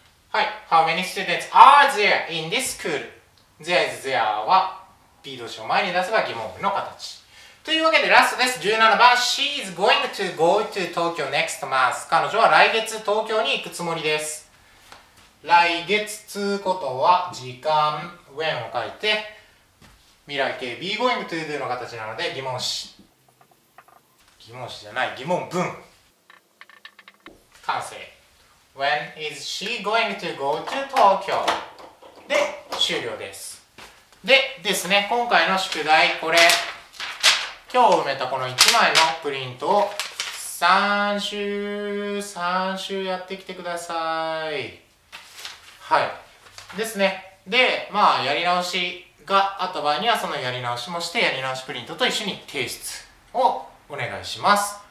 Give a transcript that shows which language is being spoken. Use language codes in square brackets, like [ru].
[ja] はい、 [en] How many students are there in this school? There is there [ja] は B 動詞を前に出せば疑問文の形。というわけでラストです。 17番、 [en] She is going to go to Tokyo next month。 [ja] 彼女は来月東京に行くつもりです。来月ということは時間、 when を書いて未来形 [en] be going to do [ja] の形なので疑問詞、疑問詞じゃない、疑問文完成。 [en] When is she going to go to Tokyo? [ja] で、終了です。で、ですね、今回の宿題、これ、今日埋めたこの1枚のプリントを3周やってきてください。はい。ですね。で、まあ、やり直しがあった場合には、そのやり直しもして、やり直しプリントと一緒に提出をお願いします。